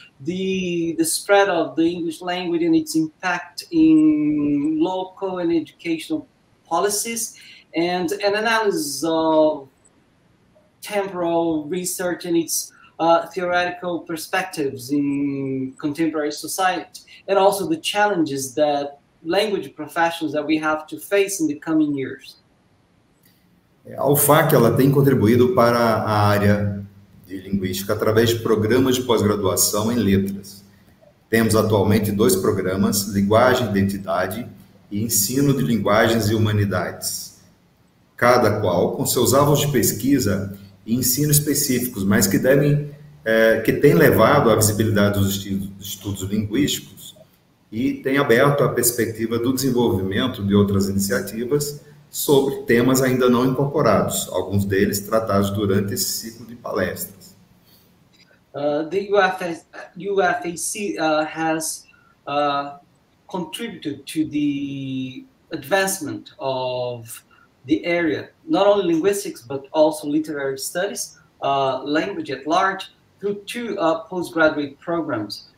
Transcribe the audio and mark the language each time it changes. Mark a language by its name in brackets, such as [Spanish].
[English] The spread of the English language and its impact in local and educational policies, and an analysis of temporal research and its theoretical perspectives in contemporary society, and also the challenges that language professionals that we have to face in the coming years. [Portuguese] A UFAC ela tem contribuído para a área de linguística através de programas de pós-graduação em letras. Temos atualmente dois programas, linguagem e identidade e ensino de linguagens e humanidades, cada qual com seus alvos de pesquisa e ensino específicos, mas que devem que tem levado à visibilidade dos estudos linguísticos e tem aberto a perspectiva do desenvolvimento de outras iniciativas sobre temas ainda não incorporados, alguns deles tratados durante esse ciclo de palestras. [English] The UFAC has contributed to the advancement of the area, not only linguistics, but also literary studies, language at large, through two postgraduate programs.